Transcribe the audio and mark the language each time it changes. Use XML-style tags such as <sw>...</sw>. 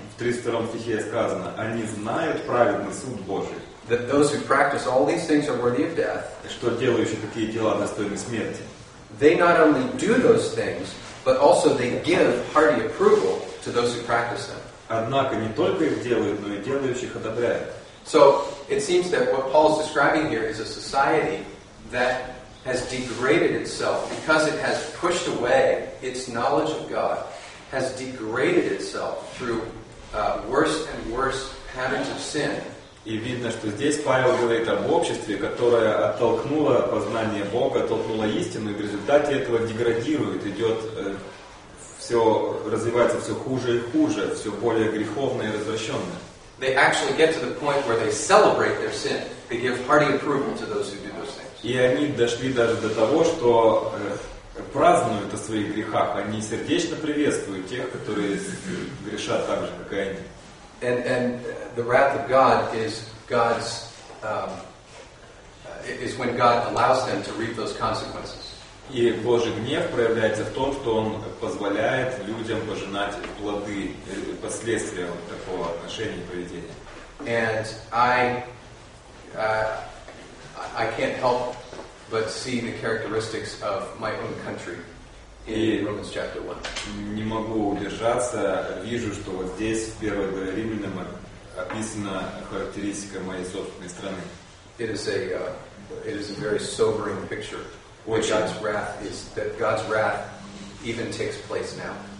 <ru>В 32 стихе сказано, они знают праведный суд Божий.</ru> <en>That those who practice all these things are worthy of death.</en> <ru>Что делающие такие дела достойны смерти.</ru> <en>They not only do those things, but also they give hearty approval to those who practice them.</en> <ru>Однако не только их делают, но и делающих одобряют.</ru> <en>So it seems that what Paul is describing here is a society that has degraded itself because it has pushed away its knowledge of God. Has degraded itself through worse and worse patterns of sin.</en> <ru>И видно, что здесь Павел говорит об обществе, которое оттолкнуло познание Бога, оттолкнуло истину, и в результате этого деградирует, идет все развивается все хуже и хуже, все более греховное и развращенное.</ru> <en>They actually get to the point where they celebrate their sin. They give hearty approval to those who do those things.</en> <ru>И они дошли даже до того, что празднуют о своих грехах, они сердечно приветствуют тех, которые грешат так же, как и они.</ru> <en>And the wrath of God is God's is when God allows them to reap those consequences.</en> <ru>И Божий гнев проявляется в том, что Он позволяет людям пожинать плоды, последствия вот такого отношения и поведения.</ru> <en>And I can't help but see the characteristics of my own country in Romans chapter 1.</en> <ru>Не могу удержаться, вижу, что вот здесь в первой главе Римлянам описана характеристика моей собственной страны.</ru> <en>It is a very sobering picture. God's wrath even takes place now.</en>